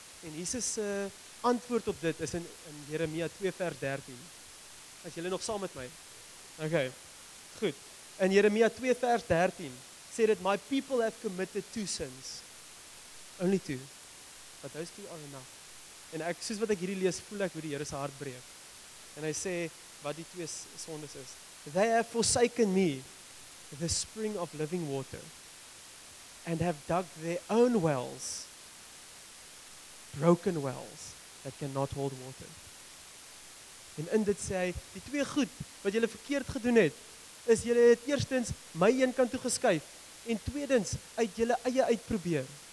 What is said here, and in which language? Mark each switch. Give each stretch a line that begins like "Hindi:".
Afrikaans: En Jesus se antwoord op dit is in Jeremia 2 vers 13. As julle nog saam met my. Okay. Goed. In Jeremia 2 vers 13 sê dit
English: my people have committed two sins. Only two. But those two are enough.
Afrikaans: En ek soos wat ek hierdie lees, voel ek hoe die Here se hart breek. En hy sê wat die twee sondes is.
English: They have forsaken me, the spring of living water, and have dug their own wells, broken wells that cannot hold water.
Afrikaans: En in dit sê hy, die twee goed wat julle verkeerd gedoen het, is julle het eerstens my een kant toe geskuif, en tweedens uit julle eie uitprobeer.